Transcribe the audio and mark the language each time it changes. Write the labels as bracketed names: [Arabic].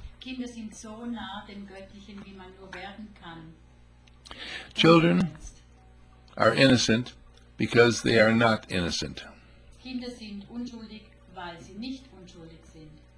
[German] Kinder sind so nah dem Göttlichen, wie man nur werden kann. [English] Children are innocent because they are not innocent. [German] Kinder sind unschuldig, weil sie nicht unschuldig sind.